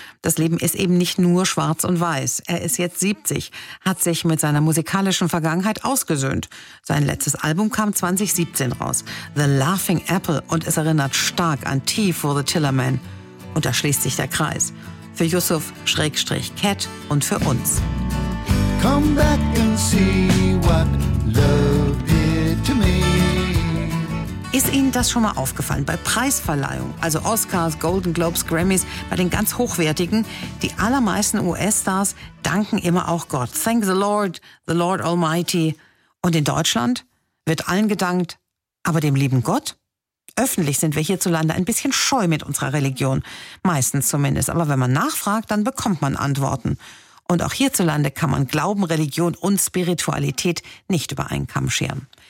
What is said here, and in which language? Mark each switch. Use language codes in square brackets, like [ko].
[de] Das Leben ist eben nicht nur schwarz und weiß. Er ist jetzt 70, hat sich mit seiner musikalischen Vergangenheit ausgesöhnt. Sein letztes Album kam 2017 raus, The Laughing Apple, und es erinnert stark an Tea for the Tillerman. Und da schließt sich der Kreis. für Yusuf/Cat und für uns. [en] Come back and see what love did to me. [de] Ist Ihnen das schon mal aufgefallen? Bei Preisverleihungen, also Oscars, Golden Globes, Grammys, bei den ganz Hochwertigen, die allermeisten US-Stars danken immer auch Gott. [en] Thank the Lord Almighty. [de] Und in Deutschland wird allen gedankt, aber dem lieben Gott? Öffentlich sind wir hierzulande ein bisschen scheu mit unserer Religion. Meistens zumindest. Aber wenn man nachfragt, dann bekommt man Antworten. Und auch hierzulande kann man Glauben, Religion und Spiritualität nicht über einen Kamm scheren.